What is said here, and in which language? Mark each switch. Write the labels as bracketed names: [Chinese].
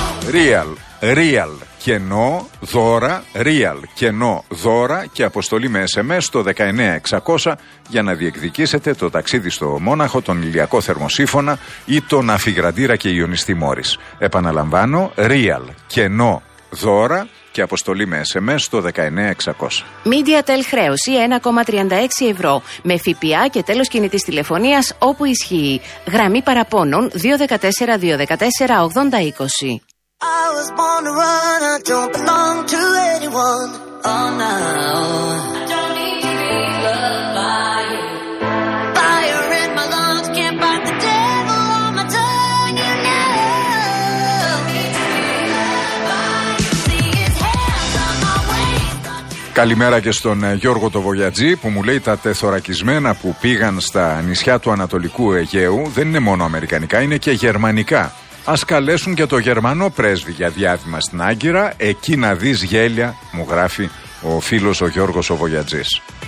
[Greek] Real. Real κενό δώρα, Real κενό δώρα και αποστολή με SMS στο 19600 για να διεκδικήσετε το ταξίδι στο Μόναχο, τον ηλιακό θερμοσύφωνα ή τον αφυγραντήρα και ιονιστή Μόρις. Επαναλαμβάνω, Real κενό δώρα και αποστολή με SMS στο 19600. MediaTel χρέωση 1,36 ευρώ με ΦΠΑ και τέλος κινητής τηλεφωνίας όπου ισχύει. Γραμμή παραπώνων 214-214-8020. [English] I was born to run, I don't belong to anyone. Oh no, I don't need to be loved by you. Fire in my lungs, can't fight the devil on my tongue, you know. Don't need to be loved by you. See his hands on my waist. [Greek] Καλημέρα και στον Γιώργο το Βογιατζή που μου λέει τα τεθωρακισμένα που πήγαν στα νησιά του Ανατολικού Αιγαίου δεν είναι μόνο αμερικανικά, είναι και γερμανικά. Ας καλέσουν και το γερμανό πρέσβη για διάβημα στην Άγκυρα, εκεί να δεις γέλια, μου γράφει ο φίλος ο Γιώργος ο Βογιατζής.